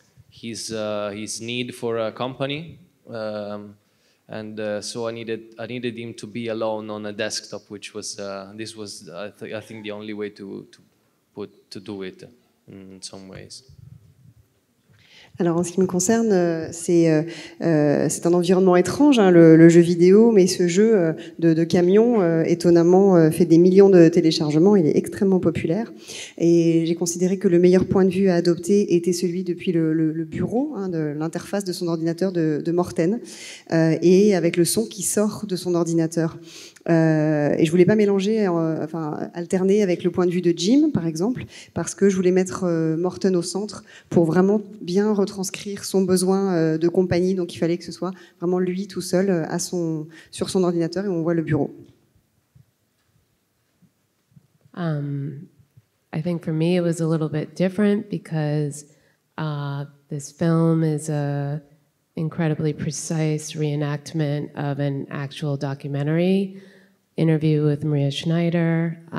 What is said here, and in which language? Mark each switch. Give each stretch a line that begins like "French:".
English: his need for a company, so I needed him to be alone on a desktop, which was I think the only way to do it in some ways.
French: Alors en ce qui me concerne, c'est un environnement étrange, hein, le jeu vidéo, mais ce jeu de camion, étonnamment, fait des millions de téléchargements, il est extrêmement populaire, et j'ai considéré que le meilleur point de vue à adopter était celui depuis le bureau, hein, de l'interface de son ordinateur de Morten, et avec le son qui sort de son ordinateur. Et je voulais pas mélanger, enfin alterner avec le point de vue de Jim, par exemple, parce que je voulais mettre Morten au centre pour vraiment bien retranscrire son besoin de compagnie. Donc il fallait que ce soit vraiment lui tout seul sur son ordinateur, et on voit le bureau.
English: I think for me it was a little bit different because this film is a incredibly precise reenactment of an actual documentary. Interview with Maria Schneider.